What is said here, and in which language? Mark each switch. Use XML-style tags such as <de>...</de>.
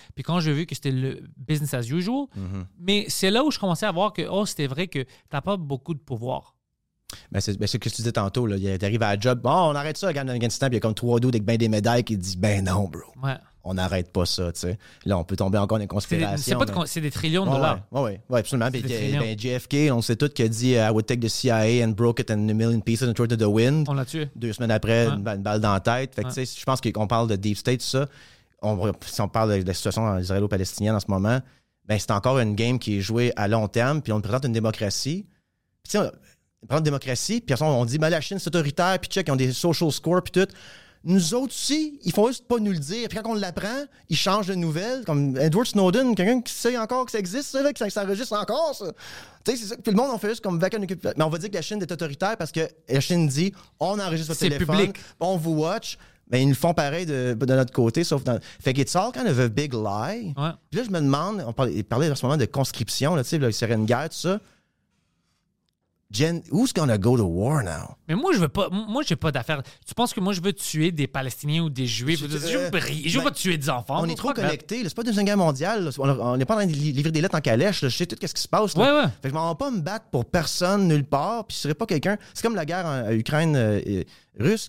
<fr>Puis quand j'ai vu que c'était le business as usual, mais c'est là où je commençais à voir que, oh, c'était vrai que t'as pas beaucoup de pouvoir. Ben c'est ce que tu disais tantôt. Là. Il arrive à la job. Bon, on arrête ça, regarde Afghanistan. Puis il y a comme trois doutes avec ben des médailles qui disent ben non, bro. Ouais. On n'arrête pas ça, tu sais. Là, on peut tomber encore dans les conspirations. C'est des trillions de dollars. Oui, oui, ouais, absolument. Puis ben, JFK, on sait tout, qui a dit</fr> <en>I would take the CIA and broke it in a million pieces and throw it to the wind.</en> <fr>On l'a tué. Deux semaines après, une balle dans la tête. Fait que, tu sais, je pense qu'on parle de Deep State, tout ça. Si on parle de la situation israélo-palestinienne en ce moment, ben c'est encore une game qui est jouée à long terme. Puis on présente une démocratie. Puis, prendre démocratie, puis on dit, la Chine, c'est autoritaire, puis check, ils ont des social scores, puis tout. Nous autres aussi, ils font juste pas nous le dire. Puis quand on l'apprend, ils changent de nouvelles. Comme Edward Snowden, quelqu'un qui sait encore que ça existe, ça, là, que ça enregistre encore, ça. Tu sais, c'est ça. Puis le monde, on fait juste comme vacuum occupation. Mais on va dire que la Chine est autoritaire parce que la Chine dit, on enregistre votre téléphone. C'est public. On vous watch. Mais ils nous font pareil de notre côté, sauf dans... Fait que</fr> <en>it's all kind of a big lie.</en> <fr>Ouais. Puis là, je me demande, on parlait en ce moment de conscription, là, tu sais, il serait une guerre, tout ça.</fr> <en>Jen, who's gonna go to war now?</en> <fr>Mais moi, je veux pas. Moi, j'ai pas d'affaires. Tu penses que moi, je veux tuer des Palestiniens ou des Juifs? Je veux pas tuer des enfants. On est trop connectés. Là, c'est pas une Deuxième Guerre mondiale. Là. On n'est pas en train de livrer des lettres en calèche. Là. Je sais tout ce qui se passe. Ouais, ouais. Fait que je m'en vais pas me battre pour personne nulle part. Puis je serais pas quelqu'un. C'est comme la guerre en Ukraine-Russe.</fr>